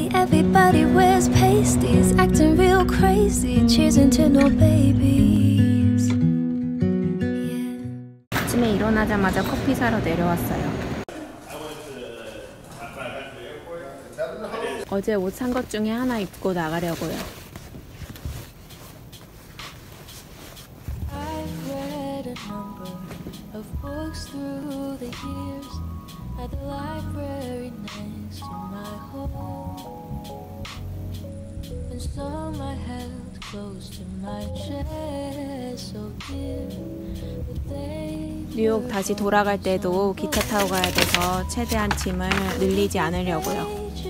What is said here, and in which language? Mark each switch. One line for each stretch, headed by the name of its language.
English: Everybody wears pasties, acting real crazy, cheersing to no babies. Yeah.
Korean: 아침에 일어나자마자 커피 사러 내려왔어요. 어제 옷 산 것 중에 하나 입고 나가려고요.
English: I've read a number of books through the years at the library next to my home. And some I held close to my chest, so dear. But they.
Korean: 뉴욕 다시 돌아갈 때도 기차 타고 가야 돼서 최대한 짐을 늘리지 않으려고요.